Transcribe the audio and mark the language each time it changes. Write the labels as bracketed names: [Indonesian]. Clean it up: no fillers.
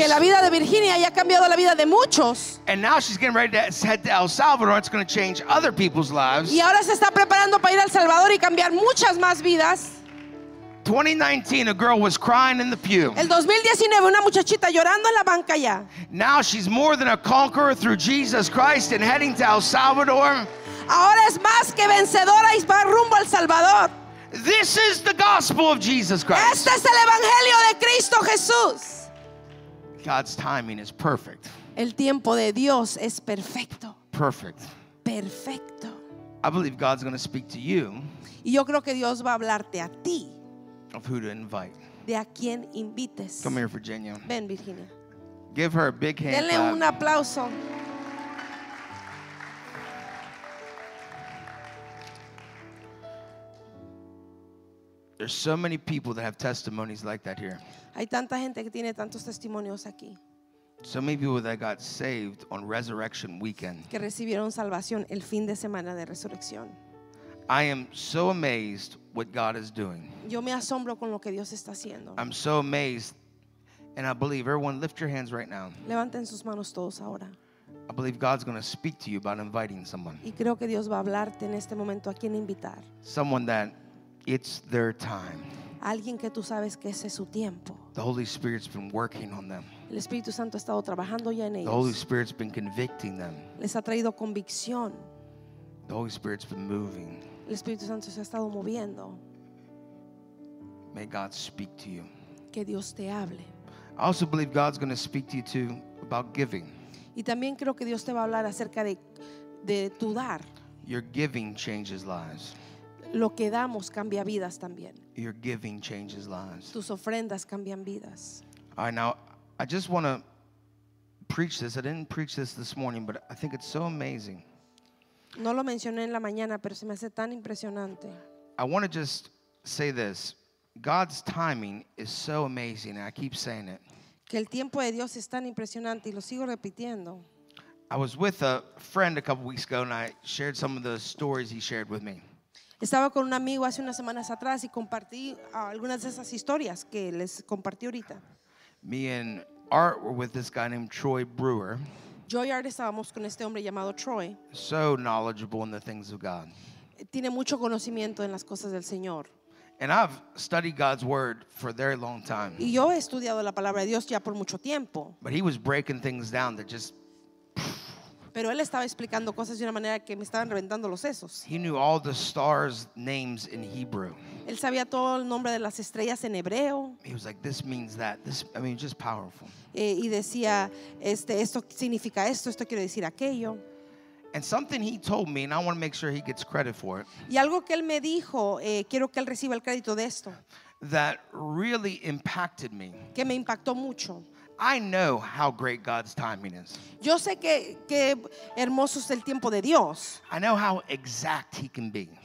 [Spanish] Que la vida de Virginia ya ha cambiado la vida de muchos. [English] And now she's getting ready to head to El Salvador. It's going to change other people's lives. [Spanish] Y ahora se está preparando para ir a El Salvador y cambiar muchas más vidas. [English] 2019, a girl was crying in the pew. [Spanish] El 2019, una muchachita llorando en la banca ya. [English] Now she's more than a conqueror through Jesus Christ and heading to El Salvador. [Spanish] Ahora es más que vencedora y va rumbo al Salvador. [English] This is the gospel of Jesus Christ. [Spanish] Este es el evangelio de Cristo Jesús. [English] God's timing is perfect. [Spanish] El tiempo de Dios es perfecto. [English] Perfect. [Spanish] Perfecto. [English] I believe God's going to speak to you. [Spanish] Y yo creo que Dios va a hablarte a ti. [English] Of who to invite. [Spanish] De a quien invites. [English] Come here, Virginia. [Spanish] Ven, Virginia. [English] Give her a big hand. [Spanish] Denle [English] clap. [Spanish] Un aplauso. [English] There's so many people that have testimonies like that here. [Spanish] Hay tanta gente que tiene tantos testimonios aquí. [English] So many people that got saved on Resurrection Weekend. [Spanish] Que recibieron salvación el fin de semana de resurrección. [English] I am so amazed what God is doing. [Spanish] Yo me asombro con lo que Dios está haciendo. [English] I'm so amazed, and I believe, everyone lift your hands right now. [Spanish] Levanten sus manos todos ahora. [English] I believe God's going to speak to you about inviting someone. [Spanish] Y creo que Dios va a hablarte en este momento a quien invitar. [English] Someone that it's their time. [Spanish] Alguien que tú sabes que ese es su tiempo. [English] The Holy Spirit's been working on them. [Spanish] El Espíritu Santo ha estado trabajando ya en ellos. [English] The Holy Spirit's been convicting them. [Spanish] Les ha traído convicción. [English] The Holy Spirit's been moving. [Spanish] El Espíritu Santo se ha estado moviendo. [English] May God speak to you. [Spanish] Que Dios te hable. [English] I also believe God's going to speak to you too about giving. [Spanish] Y también creo que Dios te va a hablar acerca de tu dar. [English] Your giving changes lives. [Spanish] Lo que damos cambia vidas también. [English] Your giving changes lives. [Spanish] Tus ofrendas cambian vidas. [English] All right, now I just want to preach this. I didn't preach this morning, but I think it's so amazing. [Spanish] No lo mencioné en la mañana, pero se me hace tan impresionante. [English] I want to just say this. God's timing is so amazing, and I keep saying it. [Spanish] Que el tiempo de Dios es tan impresionante, y lo sigo repitiendo. [English] I was with a friend a couple weeks ago, and I shared some of the stories he shared with me. [Spanish] Estaba con un amigo hace unas semanas atrás y compartí algunas de esas historias que les compartí ahorita. [English] Me and Art were with this guy named Troy Brewer. [Spanish] Yo y Art estábamos con este hombre llamado Troy. [English] So knowledgeable in the things of God. [Spanish] Tiene mucho conocimiento en las cosas del Señor. [English] And I've studied God's word for a very long time. [Spanish] Y yo he estudiado la palabra de Dios ya por mucho tiempo. [English] But he was breaking things down that just... [Spanish] Pero él estaba explicando cosas de una manera que me estaban reventando los sesos. [English] He knew all the stars' names in Hebrew. [Spanish] Él sabía todo el nombre de las estrellas en hebreo. [English] He was like, this means that. This, I mean, just powerful. [Spanish] Y decía, esto significa esto, esto quiere decir aquello. [English] And something he told me, and I want to make sure he gets credit for it. [Spanish] Y algo que él me dijo, quiero que él reciba el crédito de esto. [English] That really impacted me. [Spanish] Que me impactó mucho. [English] I know how great God's timing is. [Spanish] Yo sé que hermoso es el tiempo de Dios. [English] I know how exact he can be.